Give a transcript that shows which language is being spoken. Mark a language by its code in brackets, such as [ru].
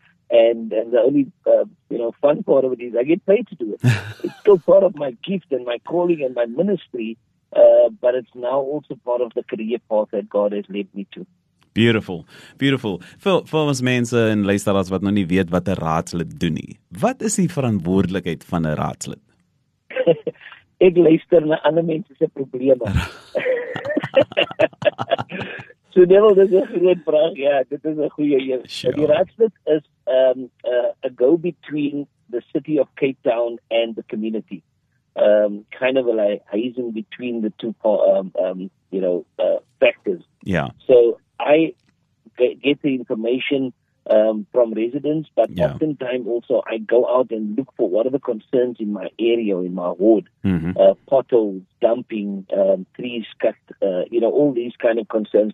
[en] and the only fun part of it is I get paid to do it. It's still part of my gift and my calling and my ministry, but it's now also part of the career path that God has led me to. Beautiful, beautiful. [af] Vir ons mense en luisteraars wat nog nie weet wat 'n raadslid doen nie, wat is die verantwoordelikheid van 'n raadslid? Ek luister na ander mense se probleme. So Neville, dit is 'n groot vraag, ja, dit is 'n goeie een. [en] Sure. [af] Die raadslid is [en] a go-between the city of Cape Town and the community. Kind of like hiding between the two factors. Yeah. So I get the information from residents, but oftentimes also I go out and look for what are the concerns in my area, in my ward, potholes, dumping, trees cut, all these kind of concerns.